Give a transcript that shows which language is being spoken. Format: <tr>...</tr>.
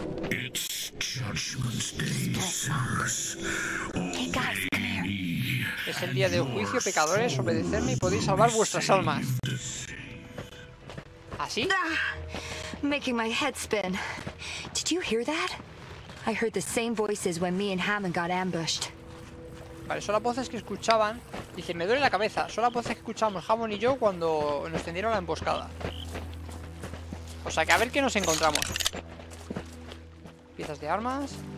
<en>It's judgment day, sirs.</en> <es>Es el día de juicio, pecadores, obedecerme y podéis salvar vuestras almas. ¿Así?</es> <en>Making my head spin. Did you hear that? I heard the same voices when me and Hammond got ambushed.</en> <es>Vale, son las voces que escuchaban. Dice, me duele la cabeza. Son las voces que escuchamos Hammond y yo cuando nos tendieron la emboscada. O sea que a ver qué nos encontramos. Piezas de armas.</es>